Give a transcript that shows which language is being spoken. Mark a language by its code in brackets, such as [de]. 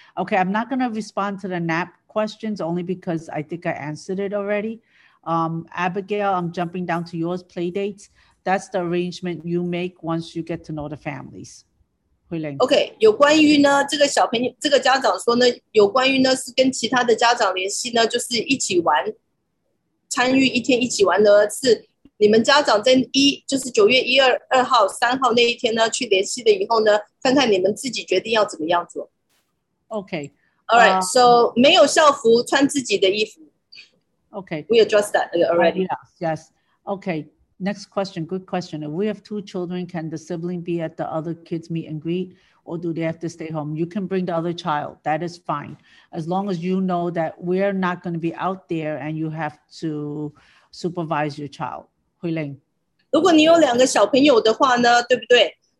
[en] Okay, I'm not going to respond to the nap questions only because I think I answered it already. Abigail, I'm jumping down to yours, play dates. That's the arrangement you make once you get to know the families. [zh] OK， 有关于呢，这个小朋友，这个家长说呢，有关于呢是跟其他的家长联系呢，就是一起玩，参与一天一起玩的，是你们家长在一，就是9月1、2号、3号那一天呢去联系了以后呢，看看你们自己决定要怎么样做。 OK， [en] All right， so [zh] 没有校服，穿自己的衣服。 [en] OK，we addressed that already. Yes. OK， next question. Good question. If we have two children, can the sibling be at the other kids' meet and greet? Or do they have to stay home? You can bring the other child. That is fine. As long as you know that we're not going to be out there and you have to supervise your child. Hui Ling. [zh] 如果你有两个小朋友的话呢,对不对?